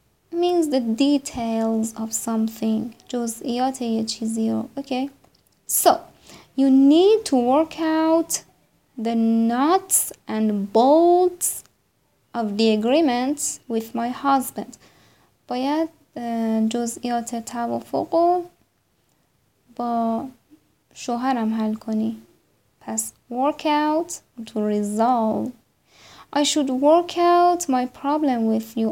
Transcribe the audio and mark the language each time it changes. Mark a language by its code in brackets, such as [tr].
[en] Means the details of something. [fa] جزئیات یه چیزی رو. [en] Okay. So, you need to work out the nuts and bolts of the agreement with my husband. [fa] باید جزئیات توافق رو با شوهرم حل کنی. پس [en] work out to resolve. I should work out my problem with you.